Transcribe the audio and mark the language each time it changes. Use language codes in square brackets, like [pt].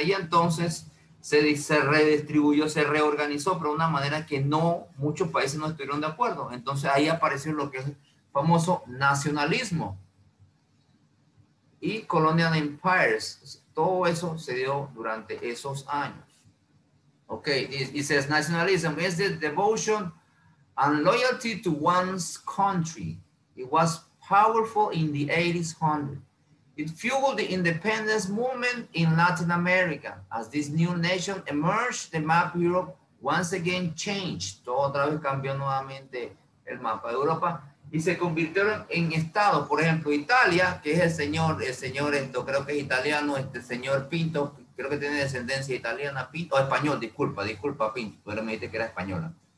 [es] Y entonces se redistribuyó, se reorganizó, pero de una manera que no muchos países no estuvieron de acuerdo. Entonces ahí apareció lo que es el famoso nacionalismo y [en] colonial empires. [es] Todo eso se dio durante esos años. [en] Ok, y says nationalism is the devotion and loyalty to one's country. It was powerful in the 1800s. It fueled the independence movement in Latin America. As this new nation emerged, the map of Europe once again changed. [es] Todo otra vez cambió nuevamente el mapa de Europa. Y se convirtieron en estados. Por ejemplo, Italia, que es el señor, esto creo que es italiano, este señor Pinto, creo que tiene descendencia italiana, Pinto, o español, disculpa, Pinto, pero me dijiste que era española.